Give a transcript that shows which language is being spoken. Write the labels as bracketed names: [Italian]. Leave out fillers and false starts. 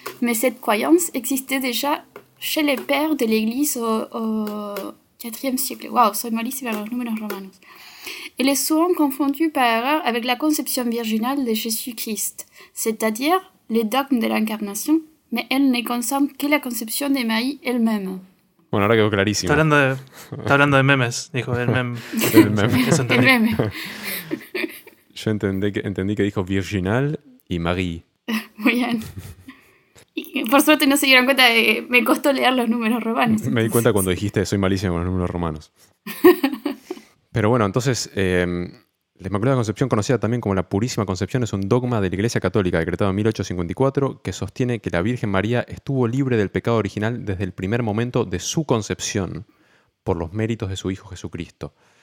[French] Mais cette croyance existait déjà chez les pères de l'Église au 4e siècle. [Spanish] Waouh, soy malísima los números romanos. [French] Elle est souvent confondue par erreur avec la conception virginale de Jésus-Christ, c'est-à-dire les dogmes de l'incarnation, mais elle ne concerne que la conception de Marie elle-même. [Spanish] Bueno, ahora quedó clarísimo. Está hablando de memes, dijo, del meme. El meme. El meme. Yo entendí que dijo virginal y Marie. Muy bien. Y por suerte no se dieron cuenta de que me costó leer los números romanos. Me di cuenta cuando dijiste soy malísimo con los números romanos. Pero bueno, entonces, la Inmaculada Concepción, conocida también como la Purísima Concepción, es un dogma de la Iglesia Católica, decretado en 1854, que sostiene que la Virgen María estuvo libre del pecado original desde el primer momento de su concepción por los méritos de su Hijo Jesucristo.